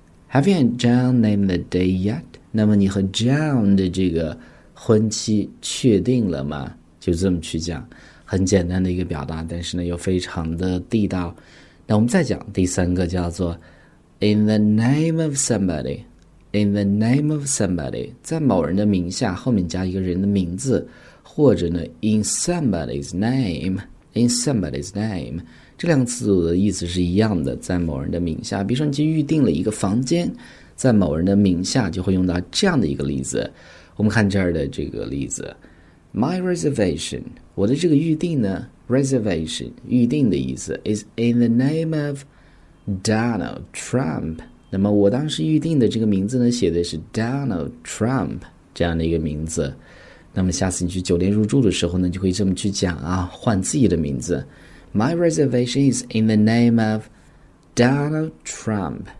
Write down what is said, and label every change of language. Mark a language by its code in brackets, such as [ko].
[en] Have you and John named the day yet? [zh] 那么你和 John 的这个婚期确定了吗？就这么去讲，很简单的一个表达，但是呢又非常的地道。那我们再讲第三个叫做 [en] in the name of somebody, [zh] in the name of somebody, 在某人的名下后面加一个人的名字，或者呢 [en] in somebody's name, in somebody's name, [zh] 这两个词组的意思是一样的，在某人的名下，比如说你去预定了一个房间，在某人的名下就会用到这样的一个例子。我们看这儿的这个例子 [en] my reservation, [zh] 我的这个预定呢Reservation, 预定的意思 [en] is in the name of Donald Trump. [zh] 那么我当时预定的这个名字呢，写的是 Donald Trump 这样的一个名字。那么下次你去酒店入住的时候呢，就可以这么去讲啊，换自己的名字。 [en] My reservation is in the name of Donald Trump.